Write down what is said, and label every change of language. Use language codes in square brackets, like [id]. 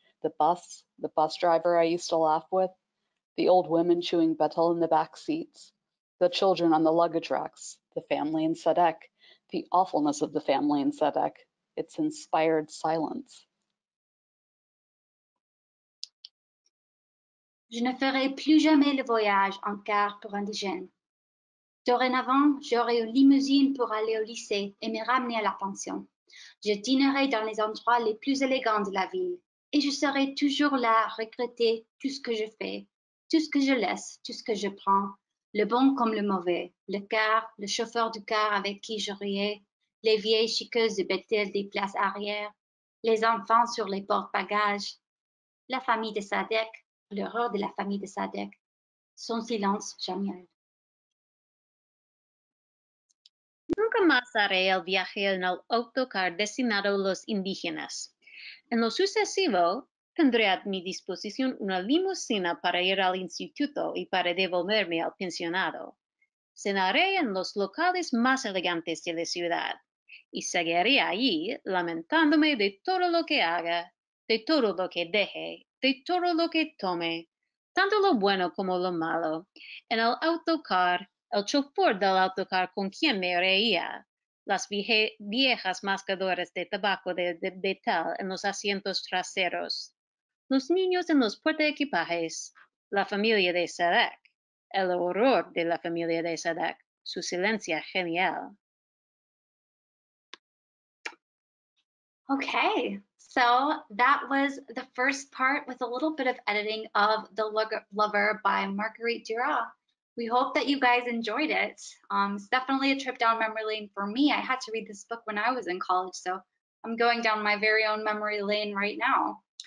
[en] The bus driver I used to laugh with, the old women chewing betel in the back seats, the children on the luggage racks, the family in Sadek, the awfulness of the family in Sedek, its inspired silence. [fr] Je ne ferai plus jamais le voyage en car pour indigène. Dorénavant, j'aurai une limousine pour aller au lycée et me ramener à la pension. Je dînerai dans les endroits les plus élégants de la ville et je serai toujours là à regretter tout ce que je fais, tout ce que je laisse, tout ce que je prends, le bon comme le mauvais, le car, le chauffeur du car avec qui je riais, les vieilles chiqueuses de Bethel des places arrière, les enfants sur les portes-bagages, la famille de Sadek, l'horreur de la famille de Sadek, son silence jamais. [es] Nunca más haré el viaje en el autocar destinado a los indígenas. En lo sucesivo, tendré a mi disposición una limusina para ir al instituto y para devolverme al pensionado. Cenaré en los locales más elegantes de la ciudad y seguiré allí lamentándome de todo lo que haga, de todo lo que deje, de todo lo que tome, tanto lo bueno como lo malo. En el autocar, el chofer del autocar con quien me reía, las viejas mascadoras de tabaco de Betel en los asientos traseros, los niños en los portaequipajes, la familia de Sadek, el horror de la familia de Sadek, su silencio genial. [en] Okay, so that was the first part with a little bit of editing of The Lover by Marguerite Duras. We hope that you guys enjoyed it. It's definitely a trip down memory lane for me. I had to read this book when I was in college, so I'm going down my very own memory lane right now.